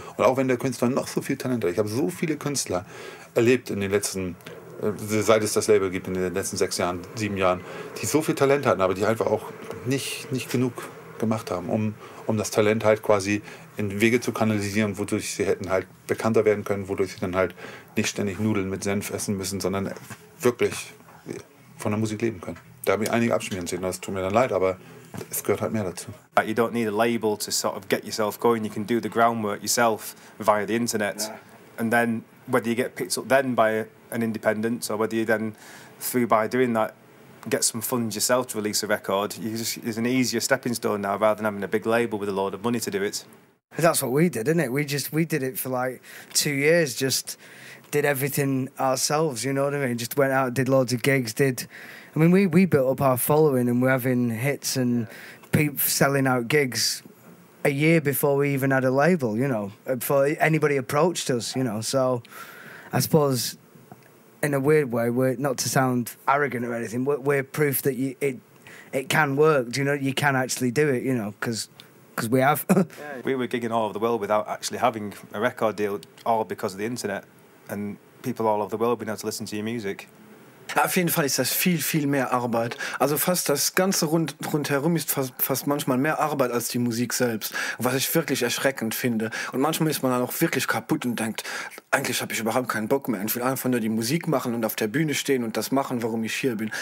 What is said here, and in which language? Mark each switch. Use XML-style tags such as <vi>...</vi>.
<de>Und auch wenn der Künstler noch so viel Talent hat. Ich habe so viele Künstler erlebt in den letzten, seit es das Label gibt, in den letzten 6 Jahren, 7 Jahren, die so viel Talent hatten, aber die einfach auch nicht genug gemacht haben, um das Talent halt quasi in Wege zu kanalisieren, wodurch sie hätten halt bekannter werden können, wodurch sie dann halt nicht ständig Nudeln mit Senf essen müssen, sondern wirklich von der Musik leben können. Da habe ich einige abschmieren sehen, das tut mir dann leid, aber es gehört halt mehr dazu.</de> <en>You don't need a label to sort of get yourself going, you can do the groundwork yourself via the internet. Yeah. And then whether you get picked up then by an independent, or whether you then, through by doing that, get some funds yourself to release a record, it's an easier stepping stone now rather than having a big label with a load of money to do it. That's what we did, isn't it? We did it for like 2 years, just did everything ourselves, you know what I mean? Just went out, did loads of gigs, we built up our following and we're having hits and people selling out gigs a year before we even had a label, you know, before anybody approached us, you know, so I suppose, in a weird way, we're not to sound arrogant or anything, we're proof that it can work. Do you know, you can actually do it, you know, because we have. We were gigging all over the world without actually having a record deal, all because of the internet and people all over the world being able to listen to your music.</en> <de>Auf jeden Fall ist das viel, viel mehr Arbeit. Also fast das Ganze rundherum ist fast manchmal mehr Arbeit als die Musik selbst, was ich wirklich erschreckend finde. Und manchmal ist man dann auch wirklich kaputt und denkt, eigentlich habe ich überhaupt keinen Bock mehr. Ich will einfach nur die Musik machen und auf der Bühne stehen und das machen, warum ich hier bin.</de>